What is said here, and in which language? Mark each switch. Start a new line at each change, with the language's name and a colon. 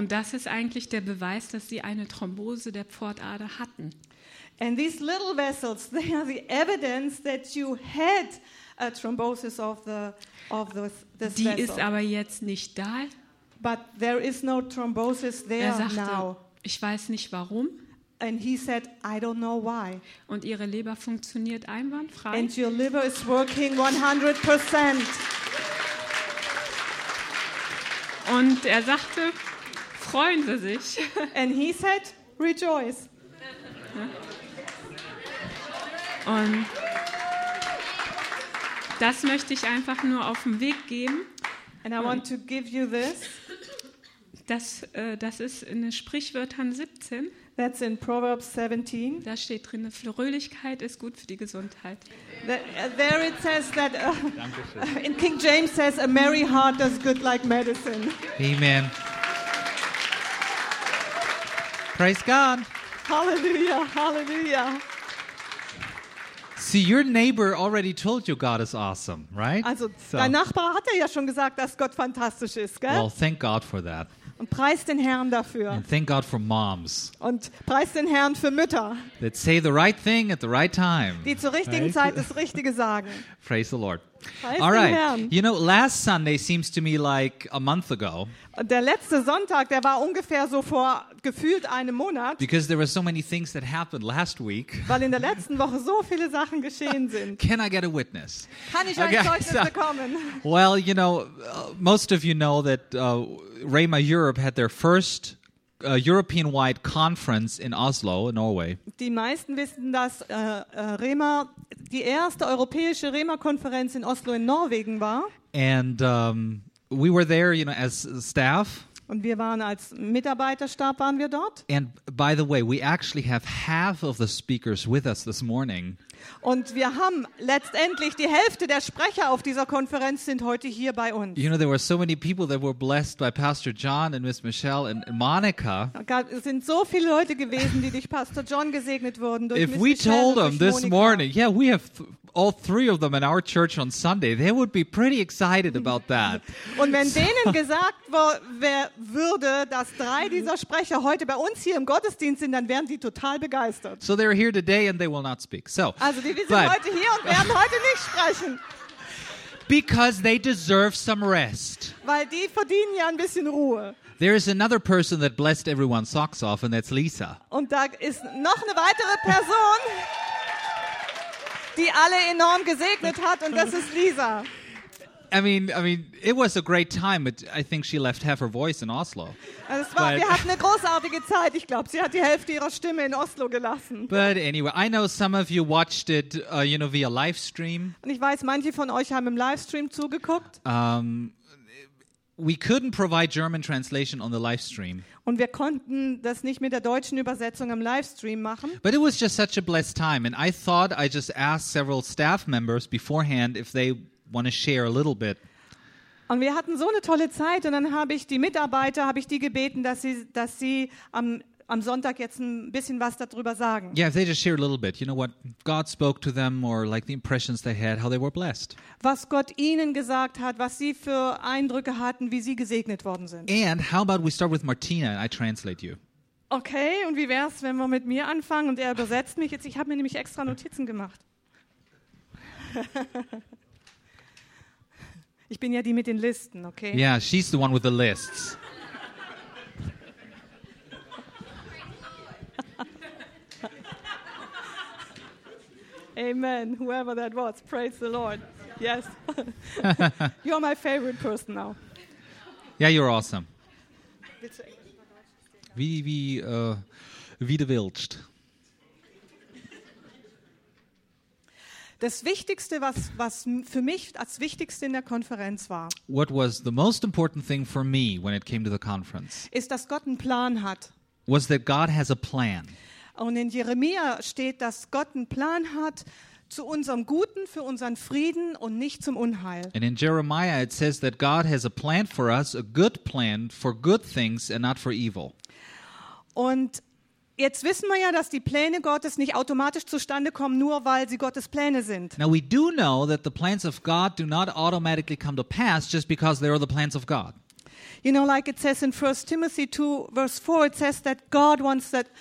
German: Und das ist eigentlich der Beweis, dass sie eine Thrombose der Pfortader hatten.
English: And these little vessels, they are the evidence that you had a thrombosis of this
German: vessel. Die ist aber jetzt nicht da.
English: But there is no thrombosis there now.
German: Ich weiß nicht warum.
English: And he said, I don't know why.
German: Und ihre Leber funktioniert einwandfrei.
English: And your liver is working 100%.
German: Und er sagte, freuen Sie sich.
English: And he said, rejoice.
German: Und das möchte ich einfach nur auf den Weg geben.
English: And I want to give you this.
German: Das ist in den Sprichwörtern 17.
English: That's in Proverbs 17.
German: Da steht drin, Fröhlichkeit ist gut für die Gesundheit.
English: There it says that in King James says a merry heart does good like medicine. Amen. Praise God. Hallelujah, hallelujah. See, your neighbor already told you God is awesome, right?
German: Also, so. Dein Nachbar hat ja schon gesagt, dass Gott fantastisch ist, gell?
English: Well, thank God for that.
German: Und preis den Herrn dafür.
English: And thank God for moms.
German: Und preis den Herrn für Mütter.
English: That say the right thing at the right time.
German: Die zur richtigen Zeit das Richtige sagen.
English: Praise the Lord.
German: Preis
English: All right.
German: Herrn.
English: You know, last Sunday seems to me like a month ago.
German: Der letzte Sonntag, der war ungefähr so vor gefühlt einem Monat.
English: Because there were so many things that happened last week.
German: Weil in der letzten Woche so viele Sachen geschehen sind.
English: Can I get a witness?
German: Kann ich ein Zeugnis bekommen?
English: Well, you know, most of you know that Rhema Europe had their first European-wide conference in Oslo, Norway.
German: Die meisten wissen, dass Rhema die erste europäische Rhema-Konferenz in Oslo in Norwegen war.
English: And we were there, you know, as staff.
German: Und wir waren als Mitarbeiterstab waren wir dort.
English: And by the way, we actually have half of the speakers with us this morning.
German: Und wir haben letztendlich die Hälfte der Sprecher auf dieser Konferenz sind heute hier bei uns.
English: You know, there were so many people that were blessed by Pastor John and Miss Michelle and Monica.
German: Es sind so viele Leute gewesen, die durch Pastor John gesegnet wurden.
English: If we told them this morning, yeah, we have all three of them in our church on Sunday, they would be pretty excited about that.
German: Und wenn denen gesagt würde, dass drei dieser Sprecher heute bei uns hier im Gottesdienst sind, dann wären die total begeistert.
English: So they're here today and they will not speak. So,
German: also die sind heute hier und werden heute nicht sprechen.
English: Because they deserve some rest.
German: Weil die verdienen ja ein bisschen Ruhe.
English: There is another person that blessed everyone's socks off, and that's Lisa.
German: Und da ist noch eine weitere Person, die alle enorm gesegnet hat, und das ist Lisa.
English: I mean, it was a great time. But I think she left half her voice in Oslo.
German: Wir hatten eine großartige Zeit. Ich glaube, sie hat die Hälfte ihrer Stimme in Oslo gelassen.
English: But anyway, I know some of you watched it, via live stream.
German: Und ich weiß, manche von euch haben im Livestream zugeguckt.
English: We couldn't provide German translation on the live stream.
German: Und wir konnten das nicht mit der deutschen Übersetzung im Livestream machen.
English: But it was just such a blessed time, and I thought I just asked several staff members beforehand if they want to share a little bit.
German: Und wir hatten so eine tolle Zeit, und dann habe ich die Mitarbeiter, habe ich die gebeten, dass sie am Sonntag jetzt ein bisschen was darüber sagen.
English: Yeah, if they just share a little bit, you know, what God spoke to them or like the impressions they had, how they were blessed.
German: Was Gott ihnen gesagt hat, was sie für Eindrücke hatten, wie sie gesegnet worden sind.
English: And how about we start with Martina and I translate you?
German: Okay, und wie wär's, wenn wir mit mir anfangen und er übersetzt mich jetzt? Ich habe mir nämlich extra Notizen gemacht. Ich bin ja die mit den Listen, okay?
English: Yeah, she's the one with the lists. Amen, whoever that was. Praise the Lord. Yes. You're my favorite person now. Yeah, you're awesome.
German: Wie du willst. Das Wichtigste, was für mich als Wichtigste in der Konferenz war,
English: what was the most important thing for me when it came to the conference,
German: ist, dass Gott einen Plan hat.
English: Was that God has a plan.
German: Und in Jeremia steht, dass Gott einen Plan hat zu unserem Guten, für unseren Frieden und nicht zum Unheil.
English: And in Jeremiah it says that God has a plan for us, a good plan for good things and not for evil.
German: Und jetzt wissen wir ja, dass die Pläne Gottes nicht automatisch zustande kommen, nur weil sie Gottes Pläne sind.
English: Now we do know that the plans of God do not automatically come to pass just because they are the plans of God. You know, like it says in 1 Timothy 2, verse 4, it says that God wants that...